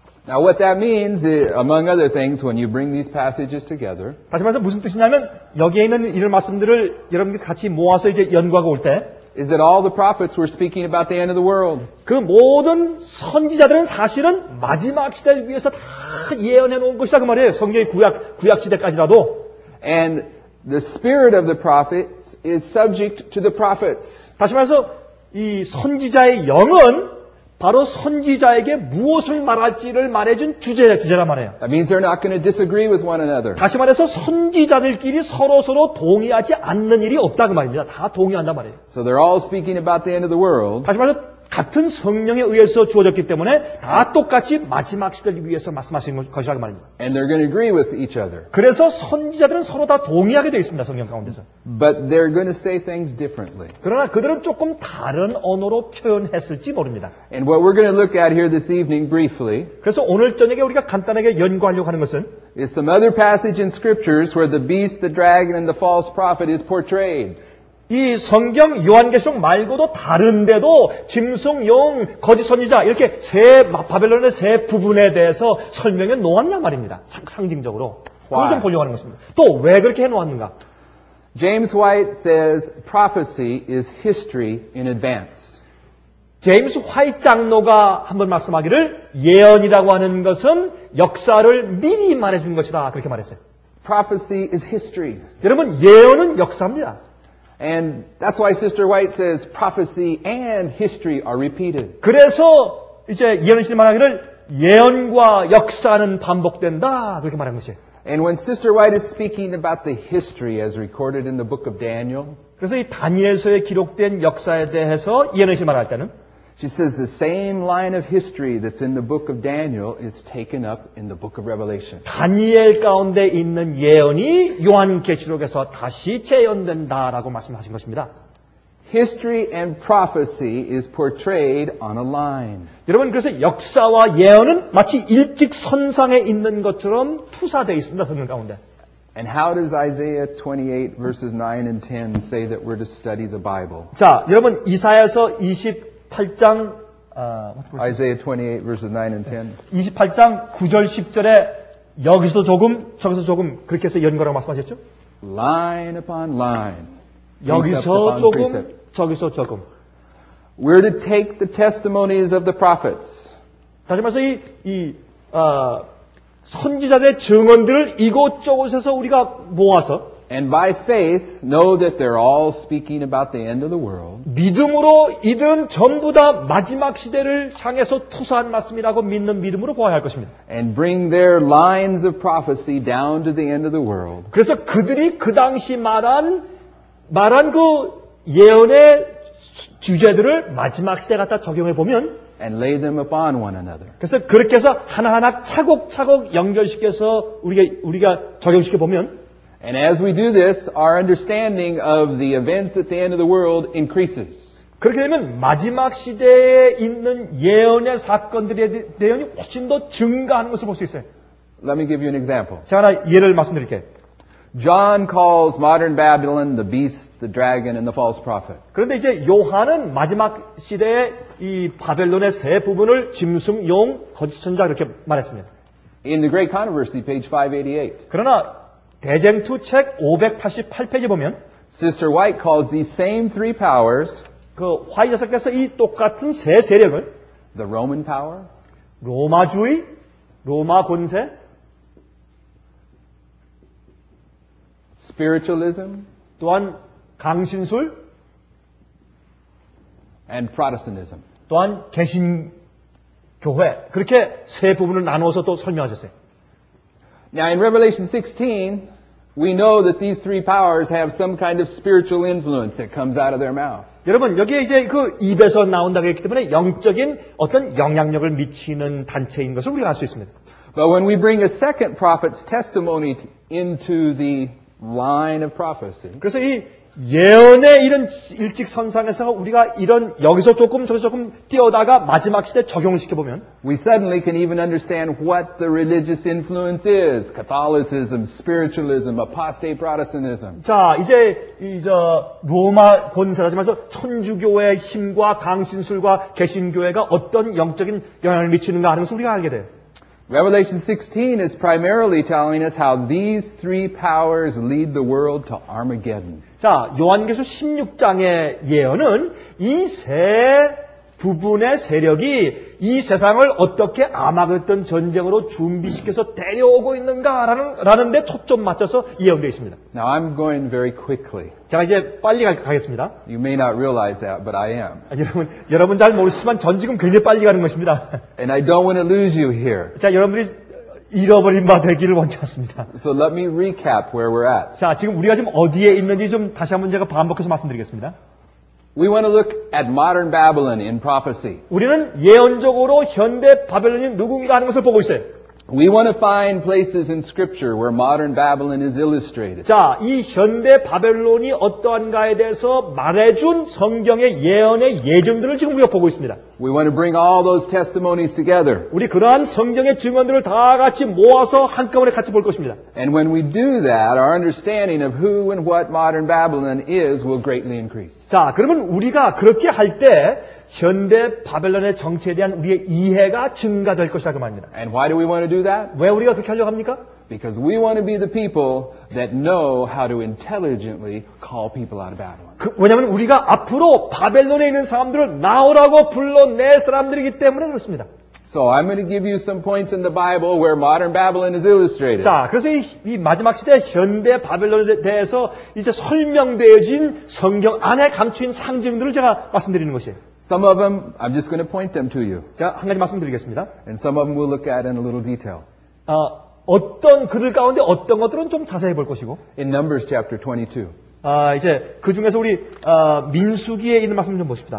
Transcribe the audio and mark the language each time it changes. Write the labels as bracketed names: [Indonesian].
[English] Now what that means, among other things, when you bring these passages together. [Korean] 다시 말해서 무슨 뜻이냐면 여기에 있는 이런 말씀들을 여러분들 같이 모아서 이제 연구하고 올 때. [English] Is that all the prophets were speaking about the end of the world? [Korean] 그 모든 선지자들은 사실은 마지막 시대를 위해서 다 예언해 놓은 것이다 그 말이에요. 성경의 구약 시대까지라도. [English] And the spirit of the prophets is subject to the prophets. [Korean] 다시 말해서 이 선지자의 영은 바로 선지자에게 무엇을 말할지를 말해준 주제라 말해요. [English] That means they're not going to disagree with one another. [Korean] 다시 말해서 선지자들끼리 서로 동의하지 않는 일이 없다 그 말입니다. 다 동의한다 말이에요. [English] So they're all speaking about the end of the world. [Korean] 다시 말해서 같은 성령에 의해서 주어졌기 때문에 다 똑같이 마지막 시대를 위해서 말씀하신 것이라고 말입니다. [English] And they're going to agree with each other. [Korean] 그래서 선지자들은 서로 다 동의하게 되어 있습니다. 성경 가운데서. [English] But they're going to say things differently. [Korean] 그러나 그들은 조금 다른 언어로 표현했을지 모릅니다. [English] And what we're going to look at here this evening briefly. [Korean] 그래서 오늘 저녁에 우리가 간단하게 연구하려고 하는 것은 [English] is some other passage in scriptures where the beast, the dragon and the false prophet is portrayed. [Korean] 이 성경 요한계시록 말고도 다른데도 짐승, 용, 거짓 선지자 이렇게 세 바벨론의 세 부분에 대해서 설명해 놓았냐 말입니다. 상징적으로. 그걸 좀 보려고 하는 것입니다. 또 왜 그렇게 해 놓았는가? [English] James White says prophecy is history in advance. [Korean] 제임스 화이트 장로가 한번 말씀하기를 예언이라고 하는 것은 역사를 미리 말해 준 것이다. 그렇게 말했어요. [English] Prophecy is history. [Korean] 여러분 예언은 역사입니다. [English] And that's why Sister White says prophecy and history are repeated. [Korean] 그래서 이제 예언실 말하기를 예언과 역사는 반복된다 그렇게 말한 것이에요. [English] And when Sister White is speaking about the history as recorded in the book of Daniel, [Korean] 그래서 이 다니엘서에 기록된 역사에 대해서 예언실 말할 때는 [English] she says the same line of history that's in the book of Daniel is taken up in the book of Revelation. [Korean] 다니엘 가운데 있는 예언이 요한계시록에서 다시 재현된다라고 말씀하신 것입니다. [English] History and prophecy is portrayed on a line. [Korean] 여러분 그래서 역사와 예언은 마치 일직선상에 있는 것처럼 투사되어 있습니다. 성경 가운데. [English] And how does Isaiah 28 verses 9 and 10 say that we're to study the Bible? [Korean] 자, 여러분 이사야서 28장 [English] Isaiah 28 verses 9 and 10. [Korean] 28장 9절 10절에 여기서도 조금 저기서 조금 그렇게 해서 연거라고 말씀하셨죠? [English] Line upon line. [Korean] 여기서 조금 저기서 조금. [English] We're to take the testimonies of the prophets. [Korean] 다시 말해서 선지자들의 증언들을 이곳저곳에서 우리가 모아서 [English] And by faith, know that they're all speaking about the end of the world. [Korean] 믿음으로 이들은 전부 다 마지막 시대를 향해서 투사한 말씀이라고 믿는 믿음으로 보아야 할 것입니다. [English] And bring their lines of prophecy down to the end of the world. [Korean] 그래서 그들이 그 당시 말한 그 예언의 주제들을 마지막 시대 갖다 적용해 보면. [English] And lay them upon one another. [Korean] 그래서 그렇게 해서 하나하나 차곡차곡 연결시켜서 우리가 적용시켜 보면. [English] And as we do this, our understanding of the events at the end of the world increases. [Korean] 그렇게 되면 마지막 시대에 있는 예언의 사건들에 대한 훨씬 더 증가하는 것을 볼 수 있어요. [English] Let me give you an example. [Korean] 제가 하나 예를 말씀드릴게요. [English] John calls modern Babylon the beast, the dragon, and the false prophet. [Korean] 그런데 이제 요한은 마지막 시대의 이 바벨론의 세 부분을 짐승, 용, 거짓 선지자 이렇게 말했습니다. [English] In the Great Controversy, page 588. [Korean] 그러나 대쟁투 책 588페이지 보면 [English] Sister White calls these same three powers [Korean] 그 화이트 여사께서 이 똑같은 세 세력을 [English] The Roman power [Korean] 로마주의 로마 권세 [English] Spiritualism [Korean] 또한 강신술 [English] And Protestantism [Korean] 또한 개신교회 그렇게 세 부분을 나누어서 또 설명하셨어요. [English] Now in Revelation 16 We know that these three powers have some kind of spiritual influence that comes out of their mouth. [Korean] 여러분 여기 이제 그 입에서 나온다고 했기 때문에 영적인 어떤 영향력을 미치는 단체인 것을 우리가 알 수 있습니다. [English] But when we bring a second prophet's testimony into the line of prophecy, [Korean] 그래서 이 예언의 이런 일직선상에서 우리가 이런 여기서 조금 저기서 조금 뛰어다가 마지막 시대에 적용시켜 보면 [English] We suddenly can even understand what the religious influence is. Catholicism, spiritualism, apostate Protestantism. [Korean] 자, 이제 로마 권세라지만서 천주교의 힘과 강신술과 개신교회가 어떤 영적인 영향을 미치는가 하는 것을 우리가 알게 돼요. [English] Revelation 16 is primarily telling us how these three powers lead the world to Armageddon. [Korean] 자, 요한계시록 16장의 예언은 이 세 부분의 세력이 이 세상을 어떻게 아마겟돈 전쟁으로 준비시켜서 데려오고 있는가라는 데 초점 맞춰서 예언되어 있습니다. [English] Now I'm going very quickly. [Korean] 제가 이제 빨리 가겠습니다. [English] You may not realize that, but I am. [Korean] 여러분 잘 모르시지만 전 지금 굉장히 빨리 가는 것입니다. [English] And I don't want to lose you here. [Korean] 자, 여러분이 잃어버린 바 되기를 원치 않습니다. [English] So let me recap where we're at. [Korean] 자, 지금 우리가 지금 어디에 있는지 좀 다시 한번 제가 반복해서 말씀드리겠습니다. [English] We want to look at modern Babylon in prophecy. [Korean] 우리는 예언적으로 현대 바벨론이 누군가 하는 것을 보고 있어요. [English] We want to find places in scripture where modern Babylon is illustrated. [Korean] 자, 이 현대 바벨론이 어떠한가에 대해서 말해준 성경의 예언의 예증들을 지금 우리가 보고 있습니다. [English] We want to bring all those testimonies together. [Korean] 우리 그러한 성경의 증언들을 다 같이 모아서 한꺼번에 같이 볼 것입니다. [English] And when we do that, our understanding of who and what modern Babylon is will greatly increase. [Korean] 자, 그러면 우리가 그렇게 할 때 현대 바벨론의 정체에 대한 우리의 이해가 증가될 것이라고 말합니다. [English] And why do we want to do that? [Korean] 왜 우리가 그렇게 하려고 합니까? [English] Because we want to be the people that know how to intelligently call people out of Babylon. [Korean] 왜냐하면 우리가 앞으로 바벨론에 있는 사람들을 나오라고 불러낼 사람들이기 때문에 그렇습니다. [English] So I'm going to give you some points in the Bible where modern Babylon is illustrated. [Korean] 자, 그래서 이 마지막 시대 현대 바벨론에 대해서 이제 설명되어진 성경 안에 감추인 상징들을 제가 말씀드리는 것이에요. [English] Some of them, I'm just going to point them to you. [Korean] 자, 한 가지 말씀드리겠습니다. [English] And some of them we'll look at in a little detail. [Korean] 어떤 그들 가운데 어떤 것들은 좀 자세히 볼 것이고. [English] In Numbers chapter 22. [Korean] 이제 그 중에서 우리 민수기에 있는 말씀 좀 보십시다.